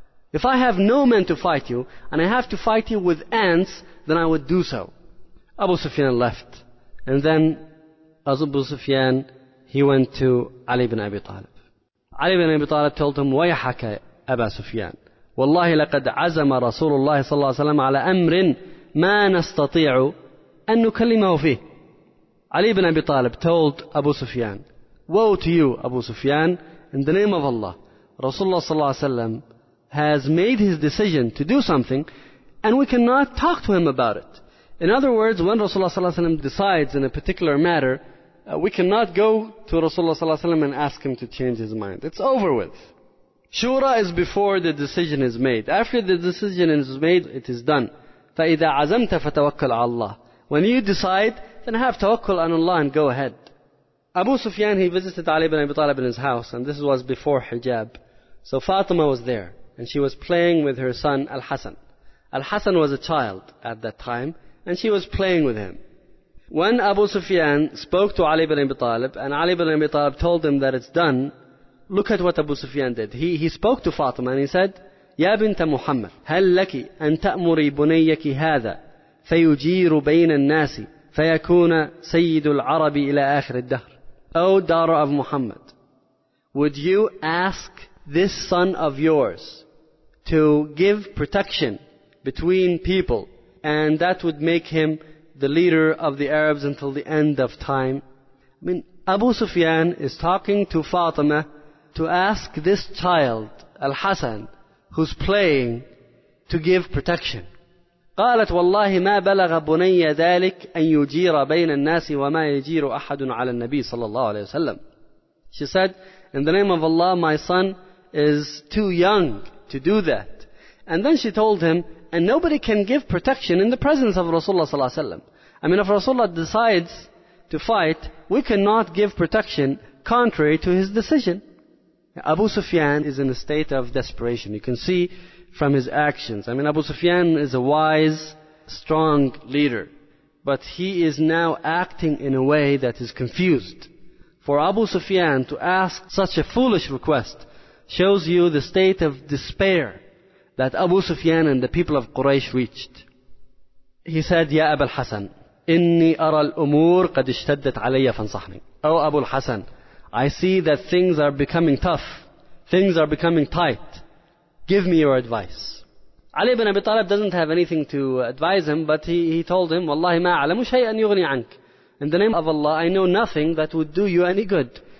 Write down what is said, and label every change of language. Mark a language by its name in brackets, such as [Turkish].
[English] If I have no men to fight you, and I have to fight you with ants, then I would do so. Abu Sufyan left. And then, as Abu Sufyan, he went to Ali ibn Abi Talib. Ali ibn Abi Talib told him, [Arabic] وَيَحَكَ أَبَا سُفْيَانَ والله لقد عزم رسول الله صلى الله عليه وسلم على أمر ما نستطيع أن نكلمه فيه. [English] علي بن أبي طالب told أبو سفيان, woe to you أبو سفيان, in the name of Allah, رسول الله صلى الله عليه وسلم has made his decision to do something and we cannot talk to him about it. In other words, when Rasulullah صلى الله عليه وسلم decides in a particular matter, we cannot go to Rasulullah صلى الله عليه وسلم and ask him to change his mind. It's over with. Shura is before the decision is made. After the decision is made, it is done. [Arabic] فَإِذَا عَزَمْتَ فَتَوَكَّلْ عَلَى اللَّهِ. [English] When you decide, then have tawakkul on Allah and go ahead. Abu Sufyan, he visited Ali ibn Abi Talib in his house, and this was before hijab. So Fatima was there, and she was playing with her son Al-Hasan. Al-Hasan was a child at that time, and she was playing with him. When Abu Sufyan spoke to Ali ibn Abi Talib, and Ali ibn Abi Talib told him that it's done, look at what Abu Sufyan did. He spoke to Fatima and he said, [Arabic] يَا بِنْتَ مُحَمَّدْ هَلْ لَكِ أَنْ تَأْمُرِي بُنَيَّكِ هَذَا فَيُجِيرُ بَيْنَ النَّاسِ فَيَكُونَ سَيِّدُ الْعَرَبِ إِلَىٰ آخِرِ الدَّهْرِ. [English] O daughter of Muhammad, would you ask this son of yours to give protection between people and that would make him the leader of the Arabs until the end of time? I mean, Abu Sufyan is talking to Fatima to ask this child, Al-Hasan, who's playing, to give protection. [Arabic] قالت والله ما بلغ بني ذلك أن يجير بين الناس وما يجير أحد على النبي صلى الله عليه وسلم. [English] She said, in the name of Allah, my son is too young to do that. And then she told him, and nobody can give protection in the presence of Rasulullah صلى الله عليه وسلم. I mean, if Rasulullah decides to fight, we cannot give protection contrary to his decision. Abu Sufyan is in a state of desperation. You can see from his actions. I mean, Abu Sufyan is a wise, strong leader. But he is now acting in a way that is confused. For Abu Sufyan to ask such a foolish request shows you the state of despair that Abu Sufyan and the people of Quraysh reached. He said, [Arabic] Ya Abu al-Hasan, إِنِّي أَرَى الْأُمُورِ قَدْ اشْتَدَّتْ عَلَيَّ فَانْصَحْنِي. [English] O Abu al-Hasan, I see that things are becoming tough. Things are becoming tight. Give me your advice. Ali ibn Abi Talib doesn't have anything to advise him, but he told him, [Arabic] وَاللَّهِ مَا عَلَمُ شَيْئًا يُغْنِي عَنْكَ. [English] In the name of Allah, I know nothing that would do you any good.